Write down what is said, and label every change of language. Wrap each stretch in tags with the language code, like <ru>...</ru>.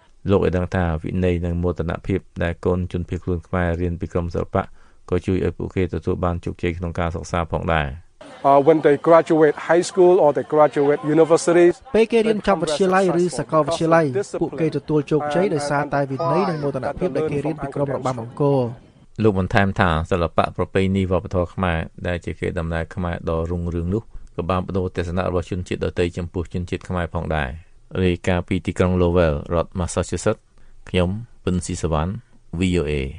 <km>លោកឯកឧត្តមថាវិន័យនិងមោទនភាពដែលកូនជនភៀសខ្លួនខ្មែររៀនពីក្រមសិល្បៈក៏ជួយឲ្យពួកគេទទួលបានជោគជ័យក្នុងការសិក្សាផងដែរ</km> <en>When they graduate high school or they graduate universities</en> <km>ពេលគេរៀនចប់វិទ្យាល័យឬសាកលវិទ្យាល័យពួកគេទទួលជោគជ័យដោយសារតែវិន័យនិងមោទនភាពដែលគេរៀនពីក្រមរបាំអង្គរ លោកបន្ថែមថាសិល្បៈប្រពៃណីវប្បធម៌ខ្មែរដែលជាកេរដំណែលខ្មែរដ៏រុងរឿងនោះក៏បានបដូរទស្សនៈរបស់ជនជាតិដទៃចំពោះជនជាតិខ្មែរផងដែររាយការណ៍ពីទីក្រុង Lowell រដ្ឋ Massachusetts ខ្ញុំពិនស៊ីសវណ្ណ VOA</km>